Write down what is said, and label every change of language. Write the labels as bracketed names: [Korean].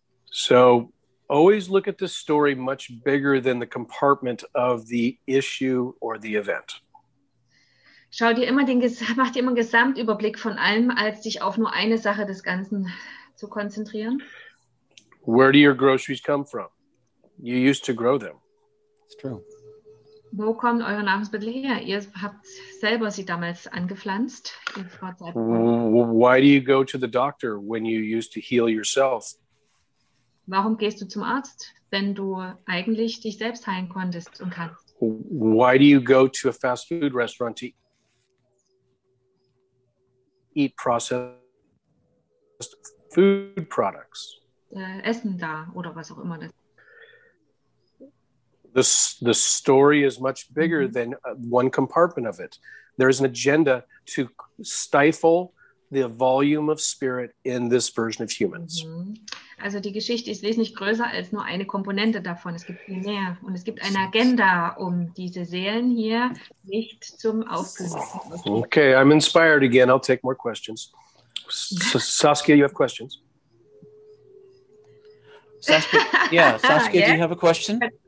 [English] So always look at the story much bigger than the compartment of the issue or the event. [German] Schau dir immer mach dir immer einen Gesamtüberblick von allem, als dich auf nur eine Sache des Ganzen zu konzentrieren. [English] Where do your groceries come from? You used to grow them. It's true. [German] Wo kommen eure Nahrungsmittel her? Ihr habt selber sie damals angepflanzt. [English] Why do you go to the doctor when you used to heal yourself? [German] Warum gehst du zum Arzt, wenn du eigentlich dich selbst heilen konntest und kannst? [English] Why do you go to a fast food restaurant to eat processed food products? [German] Essen da oder was auch immer das. [English] The story is much bigger than one compartment of it. There is an agenda to stifle the volume of spirit in this version of humans. [German] Also die Geschichte ist wesentlich größer als nur eine Komponente davon. Es gibt viel mehr. Und es gibt eine Agenda, um diese Seelen hier nicht zum Aufbruch zu bringen. Okay, I'm inspired again. I'll take more questions. Saskia, you have questions? Saskia, yeah. Do you have a question?